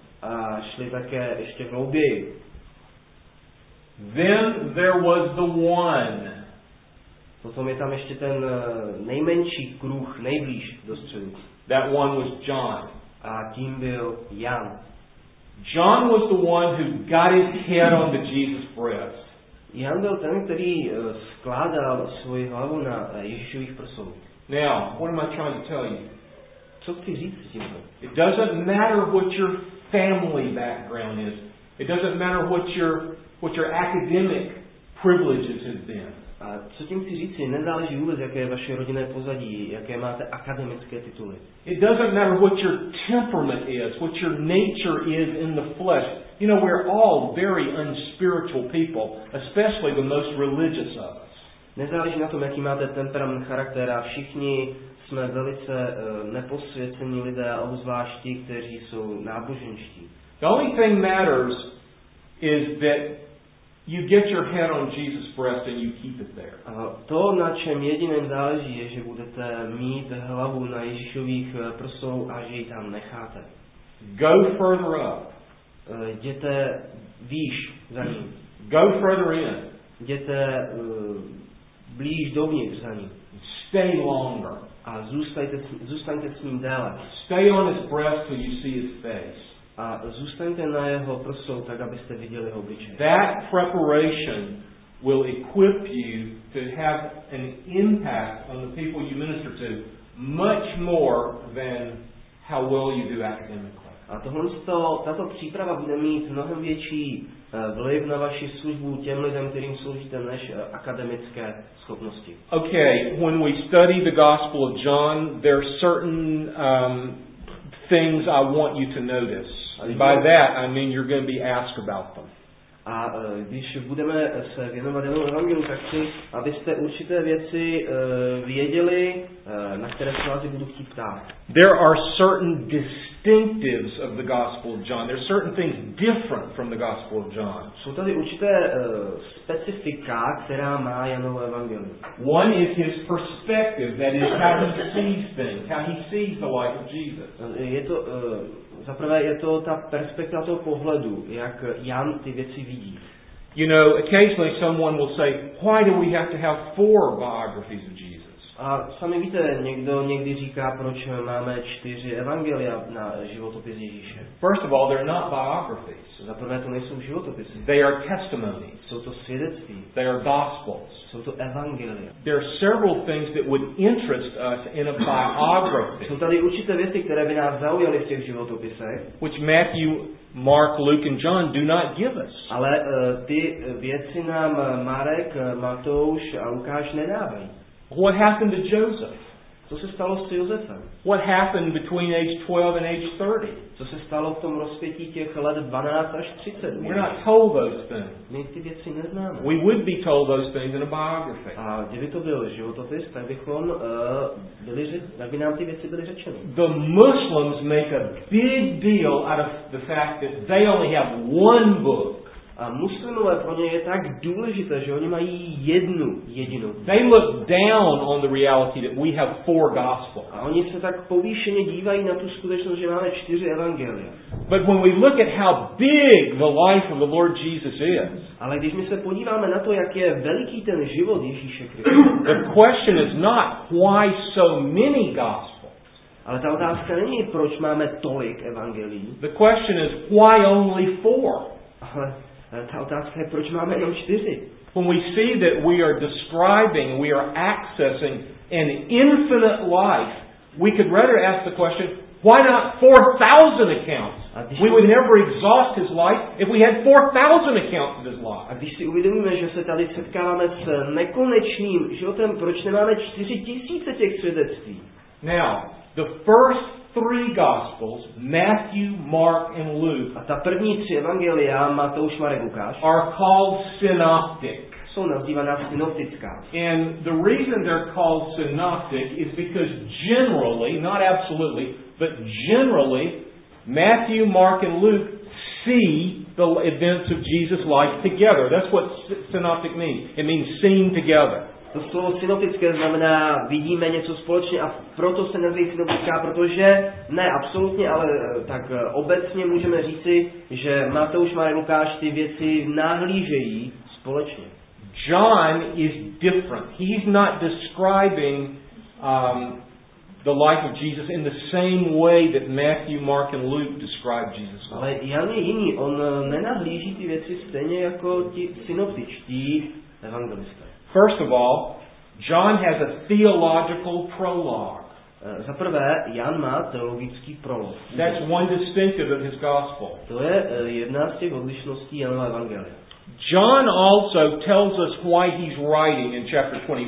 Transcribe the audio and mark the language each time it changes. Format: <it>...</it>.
<cs>A šli také ještě hlouběji.</cs> <en>Then there was the one.</en> <cs>Potom je tam ještě ten nejmenší kruh, nejblíž do středu.</cs> <en>That one was John.</en> <cs>A tím byl Jan.</cs> <en>John was the one who got his head on the Jesus breast.</en> <cs>Jan byl ten, který skládal svoji hlavu na Ježíšových prsou.</cs> <en>Now, what am I trying to tell you?</en> <cs>Co chci říct s tímto?</cs> <en>It doesn't matter what your family background is. It doesn't matter what your academic privileges have been.</en> <cs>A co tím chci říct, nezáleží vůbec, jaké je vaše rodinné pozadí, jaké máte akademické tituly.</cs> <en>It doesn't matter what your temperament is, what your nature is in the flesh. You know, we're all very unspiritual people, especially the most religious of us.</en> <cs>Nezáleží na tom, jaký máte temperament, charakter, a všichni jsme velice neposvěcení lidé, obzvlášť ti, kteří jsou náboženští.</cs> <en>The only thing matters is that you get your head on Jesus' breast and you keep it there.</en> <cs>To, na čem jediném záleží, je, že budete mít hlavu na Ježíšových prsou a že ji tam necháte.</cs> <en>Go further up.</en> <cs>Jděte výš za ním.</cs> <en>Go further in.</en> <cs>Jděte blíž dovnitř za ním.</cs> <en>Stay longer.</en> <cs>A zůstaňte s ním déle.</cs> <en>Stay on his breast till you see his face.</en> <cs>A zůstaňte na jeho prsou tak, abyste viděli jeho obličej.</cs> <en>That preparation will equip you to have an impact on the people you minister to much more than how well you do academically.</en> <cs>A tato příprava bude mít mnohem větší vliv na vaši službu těm lidem, kterým sloužíte, než akademické schopnosti.</cs> <en>Okay, when we study the Gospel of John, there are certain things I want you to notice. By that, I mean you're going to be asked about them.</en> <cs>A když budeme se věnovat jenom evangeliu, tak chci, abyste určité věci věděli, na které se vás budu chtít ptát.</cs> <en>There are certain distinctives of the Gospel of John. There are certain things different from the Gospel of John.</en> <cs>Jsou tady určité specifika, která má Janovo evangelium.</cs> <en>One is his perspective, that is how he sees things, how he sees the life of Jesus.</en> <cs>Je to zaprvé je to ta perspektiva toho pohledu, jak Jan ty věci vidí.</cs> <en>You know, occasionally someone will say, why do we have to have four biographies of Jesus?</en> <cs>A sami víte, někdo někdy říká, proč máme čtyři evangelia na životopis Ježíše.</cs> <en>First of all, they're not biographies.</en> <cs>Zaprvé to nejsou životopisy.</cs> <en>They are testimonies.</en> <cs>Jsou to svědectví.</cs> <en>They are gospels.</en> <cs>Jsou to evangelia.</cs> <en>There are several things that would interest us in a biography.</en> <cs>Jsou tady určité věci, které by nás zaujaly v těch životopisech.</cs> <en>Which Matthew, Mark, Luke and John do not give us.</en> <cs>Ale ty věci nám Marek, Matouš a Lukáš nedávají.</cs> <en>What happened to Joseph?</en> <cs>Co se stalo s Josefem?</cs> <en>What happened between age 12 and age 30?</en> <cs>Co se stalo v tom rozpětí těch let 12 až 30?</cs> <en>We're not told those things.</en> <cs>My ty věci neznáme.</cs> <en>We would be told those things in a biography.</en> <cs>A kdyby to byl životopis, tak bychom tak by nám ty věci byly řečeny.</cs> <en>The Muslims make a big deal out of the fact that they only have one book.</en> <cs>A muslimové pro ně je tak důležité, že oni mají jednu jedinou.</cs> <en>They look down on the reality that we have four gospels.</en> <cs>A oni se tak povýšeně dívají na tu skutečnost, že máme čtyři evangelia.</cs> <en>But when we look at how big the life of the Lord Jesus is.</en> <cs>Ale když my se podíváme na to, jak je veliký ten život Ježíše Krista.</cs> <en>The question is not why so many gospels.</en> <cs>Ale ta otázka není, proč máme tolik evangelií.</cs> <en>The question is why only four.</en> <cs>Ta otázka je, proč máme jenom čtyři?</cs> <en>When we see that we are describing, we are accessing an infinite life, we could rather ask the question, why not 4,000 accounts? We would never exhaust his life if we had 4,000 accounts of his life.</en> <cs>A když si uvědomíme, že se tady setkáváme s nekonečným životem, proč nemáme 4,000 těch svědectví?</cs> <en>Now, the first three gospels, Matthew, Mark and Luke.</en> <cs>A ta první tři evangelia, Matouš, Marek, Lukáš,</cs> <en>are called synoptic.</en> <cs>Jsou nazývána synoptická.</cs> <en>And the reason they're called synoptic is because generally, not absolutely, but generally, Matthew, Mark and Luke see the events of Jesus' life together. That's what synoptic means. It means seen together.</en> <cs>To slovo synoptické znamená vidíme něco společně a proto se nazývá synoptická, protože ne absolutně, ale tak obecně můžeme říci, že Matouš, Marek, Lukáš ty věci nahlížejí společně.</cs> <en>John is different. He's not describing the life of Jesus in the same way that Matthew, Mark and Luke describe Jesus.</en> <cs>Ale Jan je jiný, on nenahlíží ty věci stejně jako ti synoptičtí evangelisté.</cs> <en>First of all, John has a theological prologue.</en> <cs>Za prvé, Jan má teologický prolog.</cs> <en>That's one distinctive of his gospel.</en> <cs>To je jedna z těch odlišností Janova evangelia.</cs> <en>John also tells us why he's writing in chapter 20.</en>